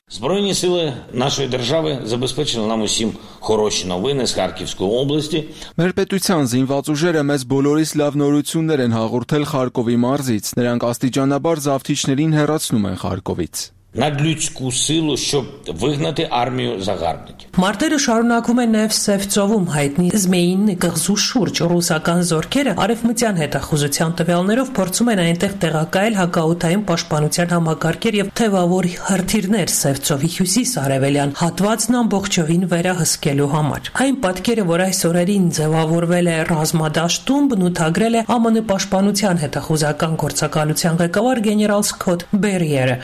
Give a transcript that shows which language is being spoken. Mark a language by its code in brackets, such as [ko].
[uk] Збройні сили нашої держави забезпечили нам усім хороші новини з Харківської області. [hy] Մեր պետության զինված ուժերը մեզ բոլորիս լավ նորություններ են հաղորդել Խարկովի մարզից, նրանք աստիճանաբար զավթիչներին հեռացնում են Խարկովից։ [uk] Надлюдську силу, щоб вигнати армію загарбників. [hy] Մարտերը շարունակվում են նաև Սևծովում, հայտնի Զմեյինի կղզու շուրջ ռուսական զորքերը արևմտյան հետախուզության տվյալներով փորձում են այնտեղ տեղակայել հակաօդային պաշտպանության համակարգեր և թևավոր հրթիռներ Սևծովի հյուսիս-արևելյան հատվածն ամբողջովին վերահսկելու համար։ Այն պատկերը, որ այս օրերին ձևավորվել է ռազմադաշտում, բնութագրել է ԱՄՆ պաշտպանության հետախուզական գործակալության ղեկավար գեներալ Սքոթ Բերիերը։